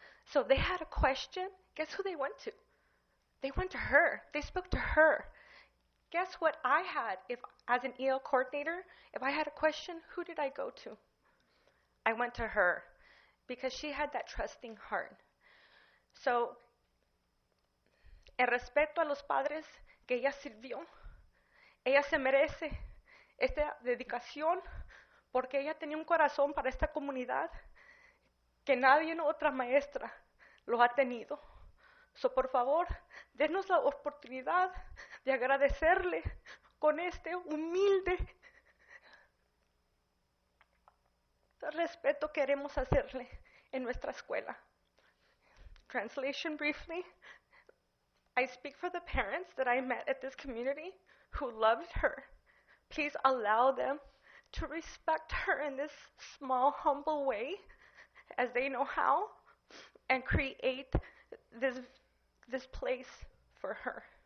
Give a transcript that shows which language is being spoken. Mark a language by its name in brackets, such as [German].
[English] So if they had a question, guess who they went to? They went to her. They spoke to her. Guess what I had if, as an EL coordinator, if I had a question, who did I go to? I went to her because she had that trusting heart. [Spanish] So, en respeto a los padres que ella sirvió, ella se merece esta dedicación porque ella tenía un corazón para esta comunidad que nadie otra maestra lo ha tenido. So, por favor, denos la oportunidad de agradecerle con este humilde respeto que queremos hacerle en nuestra escuela. [English] Translation briefly. I speak for the parents that I met at this community who loved her. Please allow them to respect her in this small, humble way as they know how and create this place for her.